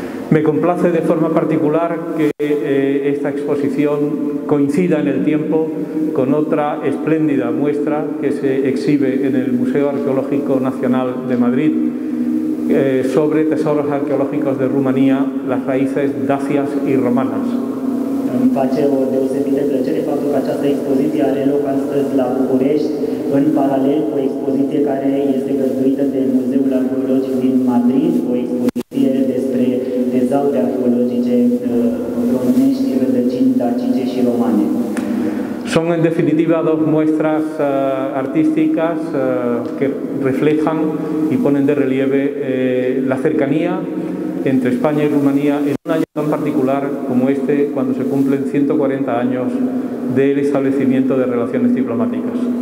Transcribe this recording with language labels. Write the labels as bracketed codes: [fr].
[es] Me complace de forma particular que esta exposición coincida en el tiempo con otra espléndida muestra que se exhibe en el Museo Arqueológico Nacional de Madrid sobre tesoros arqueológicos de Rumanía, las raíces dacias y romanas. [ro] Îmi face o deosebită plăcere faptul că această expoziție are loc astăzi la București, în paralel cu o expoziție care este găzduită de Muzeul Arheologic din Madrid, o expoziție despre dezaure arheologice românești, rădăcini dacice și romane. [es] Son en definitiva dos muestras artísticas que reflejan y ponen de relieve la cercanía entre España y Rumanía en un año tan particular como este, cuando se cumplen 140 años del establecimiento de relaciones diplomáticas.